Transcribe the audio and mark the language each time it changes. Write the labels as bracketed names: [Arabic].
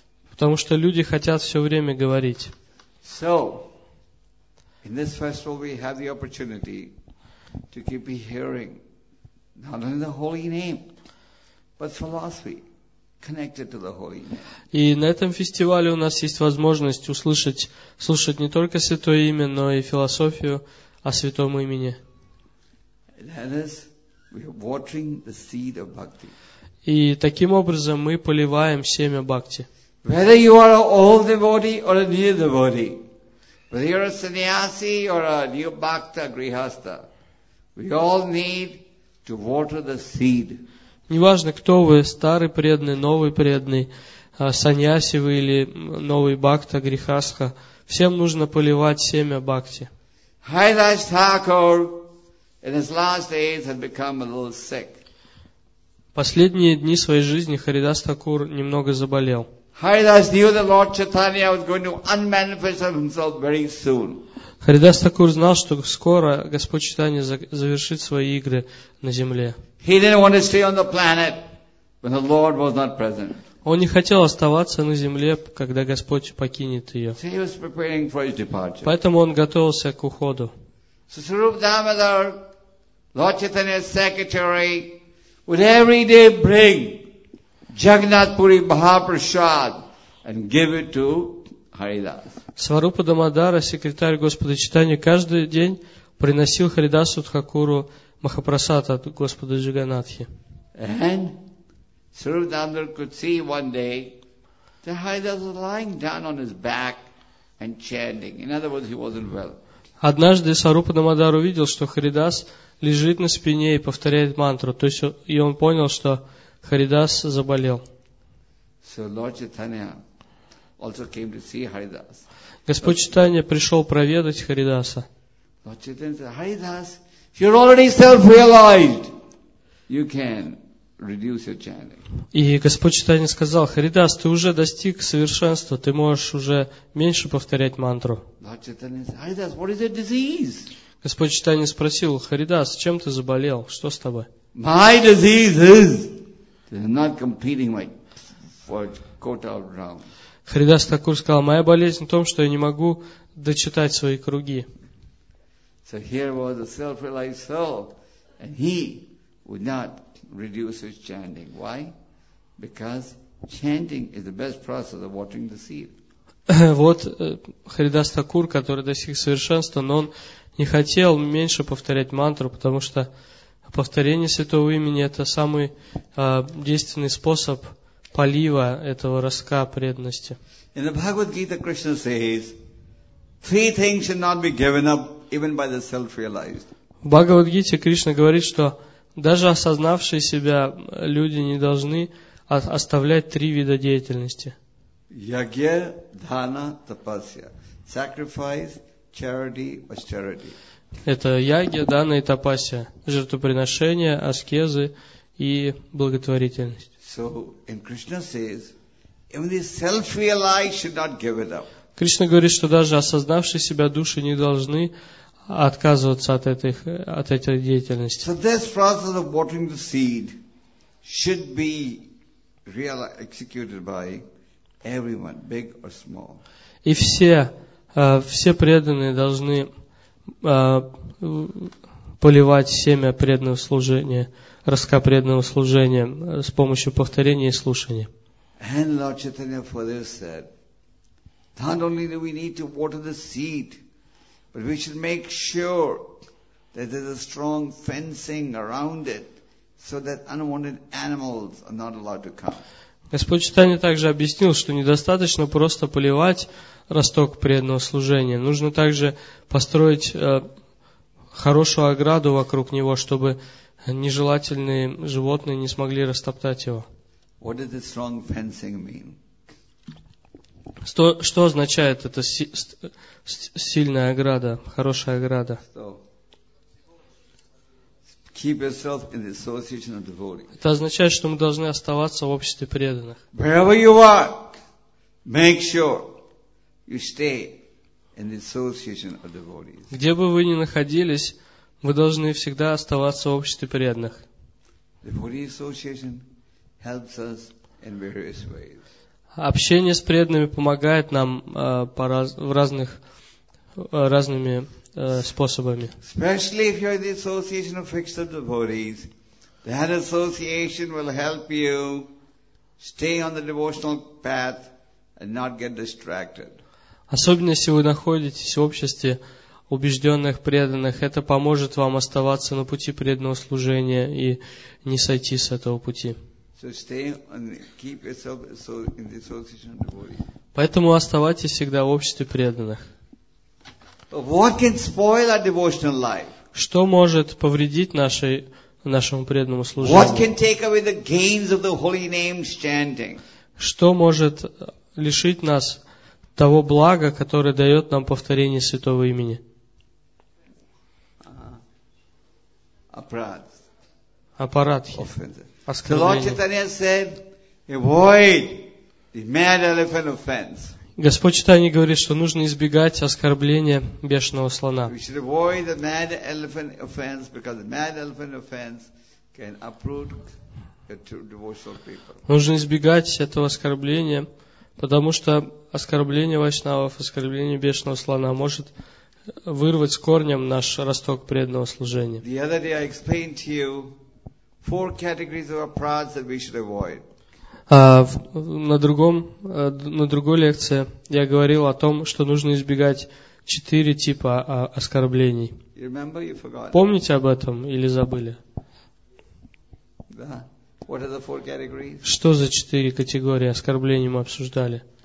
[Russian] Потому что люди хотят все время говорить. [English] So, in this festival we have the opportunity to keep hearing not only the holy name, but philosophy connected to the holy name. [Russian] И на этом фестивале у нас есть возможность услышать не только святое имя, но и философию о святом имени. [English] That is, we are watering the seed of bhakti. [Russian] И таким образом мы поливаем семя бхакти. [English] Whether you are an old devotee or a new devotee, whether you are a sannyasi or a new bhakta grihastha, we all need to water the seed. [Russian] Неважно, кто вы, старый преданный, новый преданный, саньяси вы или новый бхакта, грихастха, всем нужно поливать семя бхакти. [English] Haridas Thakur in his last days had become a little sick. [Russian] Последние дни своей жизни Haridas Thakur немного заболел. [English] Haridas knew that Lord Chaitanya was going to unmanifest himself very soon. [Russian] Haridas Thakur знал, что скоро Господь Чайтанья завершит свои игры на земле. [English] He didn't want to stay on the planet when the Lord was not present. [Russian] Он не хотел оставаться на земле, когда Господь покинет ее. [English] So he was preparing for his departure. [Russian] Поэтому он готовился к уходу. [English] So Swarup Damodar, Lord Chaitanya's secretary, would every day bring Jagannath Puri Mahaprasad and give it to Haridas. [Russian] Сварупа Дамодара, секретарь Господа Чайтанья, каждый день приносил Харидасу Тхакуру Махапрасад от Господа Джаганатхи. [English] And Swarup Damodar could see one day that Haridas was lying down on his back and chanting. In other words, he wasn't well. [Russian] Однажды Сварупа Дамодар увидел, что Харидас лежит на спине и повторяет мантру. То есть, и он понял, что Харидас заболел. [English] So Lord Chaitanya also came to see Haridas. [Russian] Господь Чайтанья пришел проведать Харидаса. [English] Lord Chaitanya said, Haridas, you're already self-realized. You can reduce your chanting. [Russian] И Господь Чайтанья сказал, Харидас, ты уже достиг совершенства, ты можешь уже меньше повторять мантру. [English] Lord Chaitanya said, Haridas, what is your disease? [Russian] Господь Чайтанья спросил, Харидас, чем ты заболел? Что с тобой? [English] My disease is not completing my quota of rounds. [Russian] Харидас Такур сказал, моя болезнь в том, что я не могу дочитать свои круги. [English] So here was a self-realized soul, and he would not reduce his chanting. Why? Because chanting is the best process of watering the seed. [Russian] Вот Харидас Такур, который достиг совершенства, но он не хотел меньше повторять мантру, потому что повторение святого имени – это самый действенный способ полива этого ростка преданности. [English] In the Bhagavad Gita, Krishna says, three things should not be given up even by the self-realized. [Russian] В Бхагавад Гите Кришна говорит, что даже осознавшие себя люди не должны оставлять три вида деятельности. [English] Yagya, dhana, tapasya. Sacrifice, charity, austerity. [Russian] Это ягья, дана и тапасья. Жертвоприношения, аскезы и благотворительность. [English] So, and Krishna says, even the self-realized should not give it up. [Russian] Кришна говорит, что даже осознавшие себя души не должны отказываться от этих, от этой деятельности. [English] So this process of watering the seed should be executed by everyone, big or small. [Russian] И все, все преданные должны поливать семя преданного служения, ростка преданного служения с помощью повторения и слушания. [English] And Lord Chaitanya further said, not only do we need to water the seed, but we should make sure that there's a strong fencing around it so that unwanted animals are not allowed to come. [Russian] Господь Чайтанья также объяснил, что недостаточно просто поливать росток преданного служения. Нужно также построить хорошую ограду вокруг него, чтобы нежелательные животные не смогли растоптать его. [English] What does the strong fencing mean? [Russian] Что означает эта сильная ограда, хорошая ограда? [English] Keep yourself in the association of devotees. [Russian] Это означает, что мы должны оставаться в обществе преданных. [English] Wherever you are, make sure you stay in the association of devotees. [Russian] Где бы вы ни находились, вы должны всегда оставаться в обществе преданных. [English] Devotee association helps us in various ways. [Russian] Общение с преданными помогает нам разными способами. [English] Especially if you're in the association of fixed devotees, that association will help you stay on the devotional path and not get distracted. [Russian] Особенно если вы находитесь в обществе убежденных преданных, это поможет вам оставаться на пути преданного служения и не сойти с этого пути. [English] So stay and keep yourself in the association of devotees. [Russian] Поэтому оставайтесь всегда в обществе преданных. [English] What can spoil our devotional life? [Russian] Что может повредить нашему преданному служению? [English] What can take away the gains of the holy name chanting? [Russian] Что может лишить нас того блага, которое дает нам повторение святого имени? [English] Апарадхи. The Lord Chaitanya said, avoid the mad elephant offense. [Russian] Господь Читание говорит, что нужно избегать оскорбления бешеного слона. [English] We should avoid the mad elephant offense because the mad elephant offense can uproot your devotional people. [Russian] Нужно избегать этого оскорбления, потому что оскорбление вайшнавов, оскорбление бешеного слона может вырвать с корнем наш росток преданного служения. [English] The other day I explained to you four categories of aparads that we should avoid. [Russian] На другой лекции я говорил о том, что нужно избегать четыре типа оскорблений. [English] You remember, you forgot. [Russian] Помните об этом или забыли? Да. [English] What are the four categories? [Russian] Что за четыре категории оскорблений мы обсуждали?